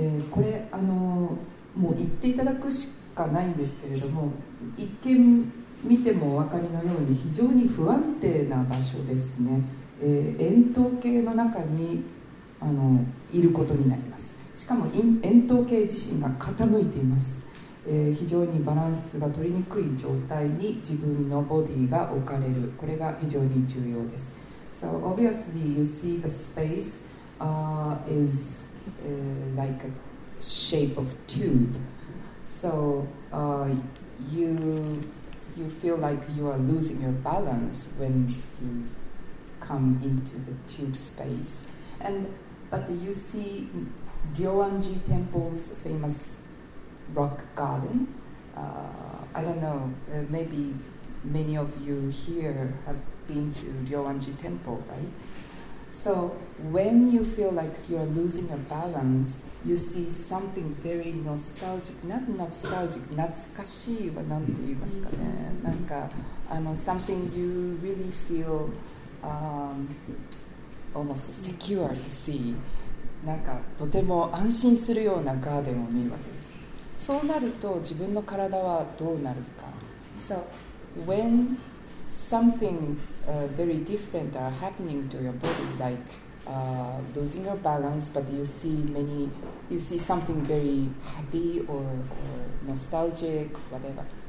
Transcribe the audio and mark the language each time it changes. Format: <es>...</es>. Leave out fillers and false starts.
<ja>これもう言っていただくしかないんですけれども、一見見てもお分かりのように非常に不安定な場所ですね。円筒形の中にいることになります。しかも円筒形自身が傾いています。非常にバランスが取りにくい状態に自分のボディが置かれる、これが非常に重要です。</ja> <en>So obviously you see the space is like a shape of tube. So you feel like you are losing your balance when you come into the tube space. But you see Ryoanji Temple's famous rock garden. I don't know, maybe many of you here have been to Ryoanji Temple, right? So when you feel like you are losing your balance, you see something very nostalgic, not nostalgic,</en> <ja>懐かしいはなんて言いますかね。なんか、</ja> <en>something you really feel almost secure to see.</en> <ja>なんか、とても安心するようなガーデンを見るわけです。そうなると、自分の体はどうなるか。</ja> <en>So, when something very different are happening to your body, like,losing your balance, but you see something very happy or nostalgic, whatever.</en>